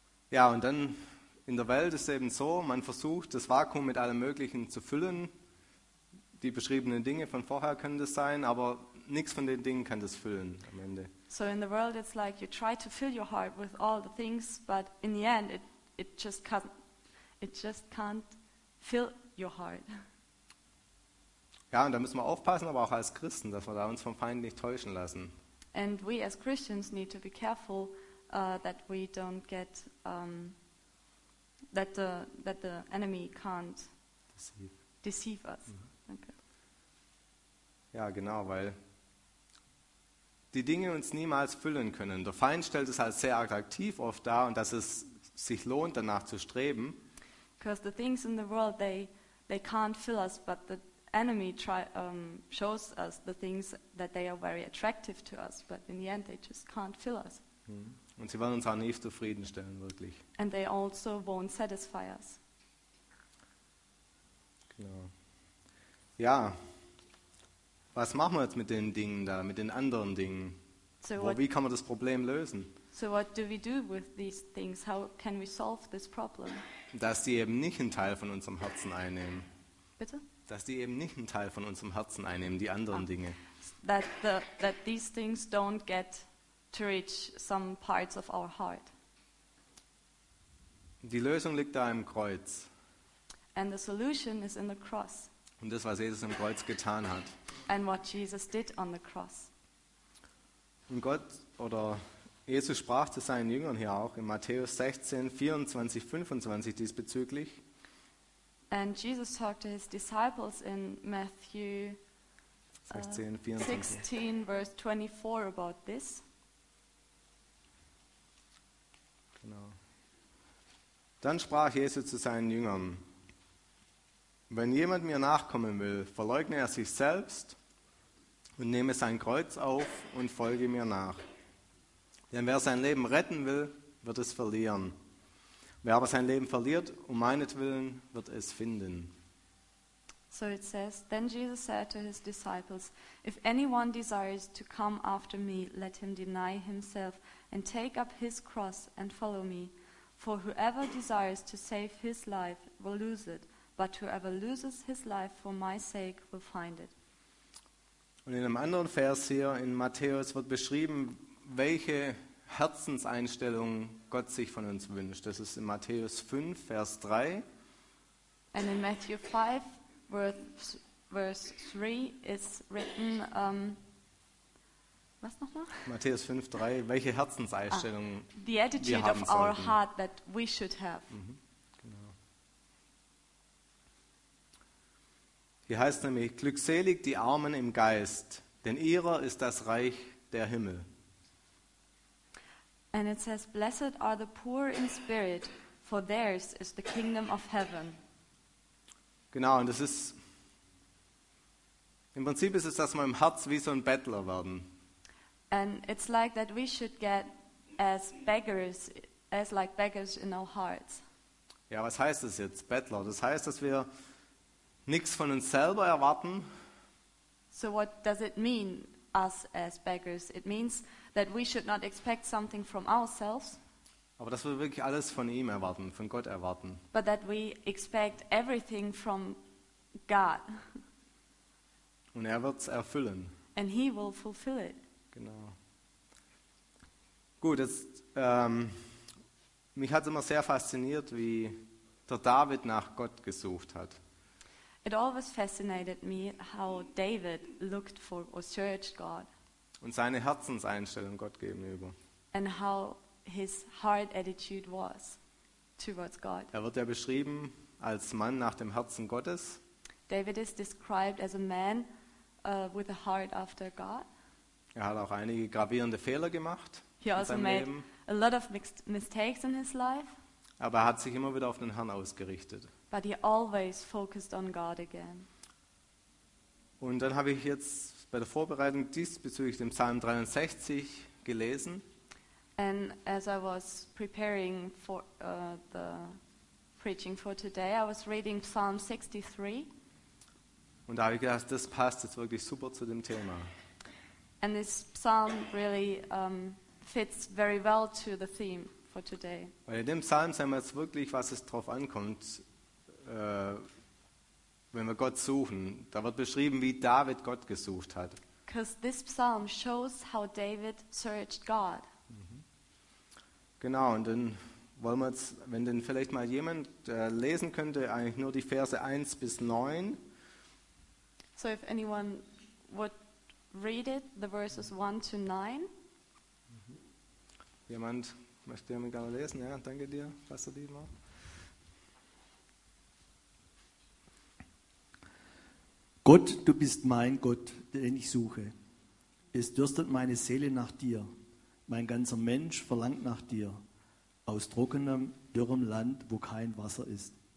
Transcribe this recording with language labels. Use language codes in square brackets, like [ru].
[de] Ja, und dann in der Welt ist es eben so, man versucht das Vakuum mit allem Möglichen zu füllen. Die beschriebenen Dinge von vorher können das sein, aber nichts von den Dingen kann das füllen am Ende. [en] So in the world it's like you try to fill your heart with all the things, but in the end it just can't fill your heart. [de] Ja, und da müssen wir aufpassen, aber auch als Christen, dass wir da uns vom Feind nicht täuschen lassen. [en] And we as Christians need to be careful that we don't get that the enemy can't deceive us. Mhm. [de] Ja, genau, weil die Dinge uns niemals füllen können. Der Feind stellt es halt sehr attraktiv oft dar und dass es sich lohnt, danach zu streben. [en] Because the things in the world, they can't fill us, but the enemy shows us the things that they are very attractive to us, but in the end they just can't fill us. [de] Und sie wollen uns auch nicht zufriedenstellen, wirklich. [en] And they also won't satisfy us. [de] Genau. Ja, was machen wir jetzt mit den Dingen da, mit den anderen Dingen? So wie kann man das Problem lösen? [en] So what do we do with these things? How can we solve this problem? [de] Dass die eben nicht einen Teil von unserem Herzen einnehmen. Bitte? Dass die eben nicht einen Teil von unserem Herzen einnehmen, die anderen Dinge. [en] That these things don't get to reach some parts of our heart. [de] Die Lösung liegt da im Kreuz. [en] And the solution is in the cross. [de] Und das, was Jesus im Kreuz getan hat. [en] And what Jesus did on the cross. [de] Und Gott oder Jesus sprach zu seinen Jüngern hier auch in Matthäus 16, 24, 25 diesbezüglich. [en] And Jesus talked to his disciples in Matthew 16, verse 24 about this. [de] Genau. Dann sprach Jesus zu seinen Jüngern: Wenn jemand mir nachkommen will, verleugne er sich selbst und nehme sein Kreuz auf und folge mir nach. Denn wer sein Leben retten will, wird es verlieren. Wer aber sein Leben verliert, um meinetwillen, wird es finden. [en] So it says, then Jesus said to his disciples, if anyone desires to come after me, let him deny himself and take up his cross and follow me. For whoever desires to save his life will lose it, but whoever loses his life for my sake will find it. [de] Und in einem anderen Vers hier in Matthäus wird beschrieben, welche Herzenseinstellung Gott sich von uns wünscht. Das ist in Matthäus 5, Vers 3. [en] And in Matthew 5, verse 3, is written, [de] was nochmal? Matthäus 5, 3, welche Herzenseinstellung [en] the attitude [de] wir haben [en] of our [de] sollten. [en] Heart that we should have. Mhm, [de] genau. Hier heißt nämlich, glückselig die Armen im Geist, denn ihrer ist das Reich der Himmel. [en] And it says, blessed are the poor in spirit, for theirs is the kingdom of heaven. [de] Genau, und das ist, im Prinzip ist es, dass wir im Herz wie so ein Bettler werden. [en] And it's like that we should get as like beggars in our hearts. [de] Ja, was heißt das jetzt, Bettler? Das heißt, dass wir nichts von uns selber erwarten. [en] So what does it mean, us as beggars? It means that we should not expect something from ourselves. [de] Aber dass wir wirklich alles von ihm erwarten, von Gott erwarten. [en] But that we expect everything from God. [de] Und er wird's erfüllen. [en] And he will fulfill it. [de] Genau. Gut, jetzt, mich hat es immer sehr fasziniert, wie der David nach Gott gesucht hat. [en] It always fascinated me how David looked for or searched God. [de] Und seine Herzenseinstellung Gott gegenüber. [en] And how his heart attitude was towards God. [de] Er wird ja beschrieben als Mann nach dem Herzen Gottes. [en] David is described as a man with a heart after God. [de] Er hat auch einige gravierende Fehler gemacht. [en] He also made a lot of mistakes in his life. [de] Aber er hat sich immer wieder auf den Herrn ausgerichtet. [en] But he always focused on God again. [de] Und dann habe ich jetzt bei der Vorbereitung diesbezüglich dem Psalm 63 gelesen. [en] And as I was preparing for the preaching for today, I was reading Psalm 63. [de] Und da habe ich gedacht, das passt jetzt wirklich super zu dem Thema. [en] And this psalm really fits very well to the theme for today. [de] Weil in dem Psalm sehen wir jetzt wirklich, was es drauf ankommt, wenn wir Gott suchen. Da wird beschrieben, wie David Gott gesucht hat. [en] Because this psalm shows how David searched God. [de] Genau, und dann wollen wir jetzt, wenn denn vielleicht mal jemand lesen könnte, eigentlich nur die Verse 1 bis 9. [en] So if anyone would read it, the verses 1 to 9. [de] Jemand möchte jemand gerne lesen? Ja, danke dir, Pastor Dietmar. Ja. Gott, du bist mein Gott, den ich suche. Es dürstet meine Seele nach dir. Mein ganzer Mensch verlangt nach dir. Aus trockenem, dürrem Land, wo kein Wasser ist.